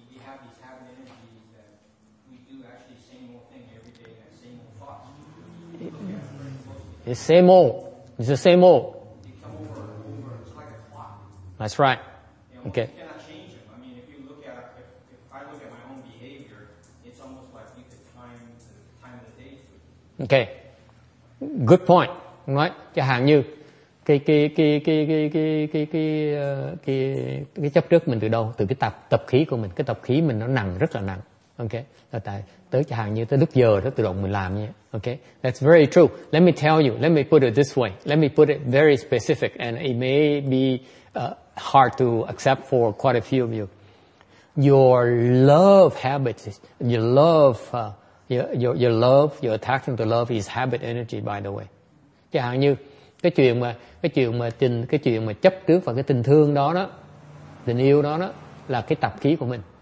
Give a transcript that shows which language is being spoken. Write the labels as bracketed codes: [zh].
[en] We have these habit energies that we do actually the same old thing every day, that same old thoughts. It's same old. It's the same old. They come over and over. It's like a clock. That's right. You know, okay. You cannot change them. I mean, if you look at, if I look at my own behavior, it's almost like you could time the day. Okay. Good point. [vi] Nói chẳng hạn như cái chấp trước mình từ đâu, từ cái tập khí của mình, cái tập khí mình nó nặng, rất là nặng. Ok, là tại tới chẳng hạn như tới lúc giờ đó tự động mình làm như vậy. [en] Ok, that's very true. Let me tell you, let me put it this way, let me put it very specific, and it may be hard to accept for quite a few of you. Your love habits, your attachment to love is habit energy, by the way. [vi] Chẳng hạn như cái chuyện mà chấp trước vào cái tình thương đó đó, tình yêu đó đó, là cái tập khí của mình.